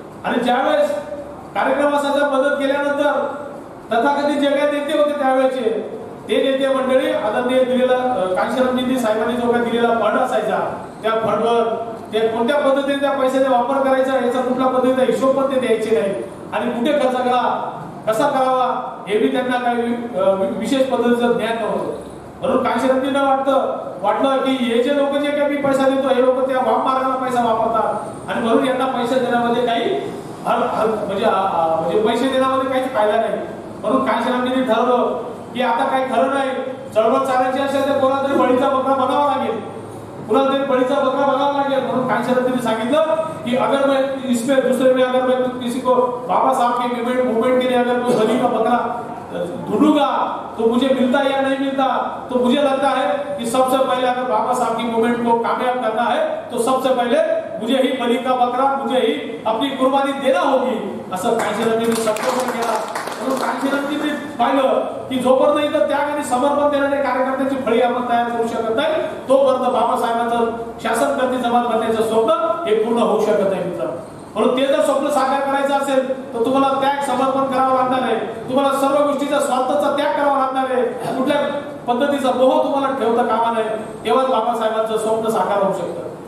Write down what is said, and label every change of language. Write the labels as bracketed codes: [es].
[mr] आणि ज्यावेळेस कार्यक्रमासाठी मदत केल्यानंतर तथाकथित जे काही नेते होते त्यावेळेचे ते नेते मंडळी आदरणीय दिलेला कांशीरामजींनी साहेबांनी जो काही दिलेला फंड असायचा त्या फंडवर ते कोणत्या पद्धतीने त्या पैशाचा वापर करायचा याचा कुठल्या पद्धतीचा हिशोब पण ते द्यायचे नाही आणि कुठे खर्च करा कसा करावा हे बी त्यांना काही विशेष पद्धतीचं ज्ञान नव्हतं. म्हणून कांशीरामजींना वाटलं की हे जे लोक जे काही पैसा देतो हे लोक त्या वाम मार्गाला पैसा वापरतात आणि म्हणून यांना पैसे देण्यामध्ये काही म्हणजे पैसे देण्यामध्ये काहीच फायदा नाही. म्हणून कांशीरामजींनी ठरवलं की आता काही खरं नाही चळवळ चालायची असेल तर कोणातरी बळीचा बकरा बनावा लागेल म्हणून कांशीरामजींनी सांगितलं की [hi] अगर मैं इसमें दुसरे में अगर मैं किसी को बाबा साहब के मूवमेंट के लिए अगर कोई बली का बकरा ढूंढूंगा तो मुझे मिलता है या नहीं मिलता तो मुझे लगता है कि सबसे पहले अगर बाबा साहब की मूवमेंट को कामयाब करना है तो सबसे पहले मुझे ही बली का बकरा मुझे ही अपनी कुर्बानी देना होगी [mr] असं कांशीरामजींनी सप्तम केला. म्हणून कांशीरामजींनी पाहिलं की जोपर्यंत इथं त्याग आणि समर्पण देणाऱ्या कार्यकर्त्यांची फळी आपण तयार करू शकत नाही तोपर्यंत बाबासाहेबांचं शासनकर्ते जमात बनण्याचं स्वप्न हे पूर्ण होऊ शकत नाही. मित्र म्हणून ते जर स्वप्न साकार करायचं असेल तर तुम्हाला त्याग समर्पण करावं लागणार आहे, तुम्हाला सर्व गोष्टीचा स्वार्थाचा त्याग करावा लागणार आहे, कुठल्या पद्धतीचा मोह तुम्हाला ठेवता कामा नये तेव्हाच बाबासाहेबांचं स्वप्न साकार होऊ शकतं.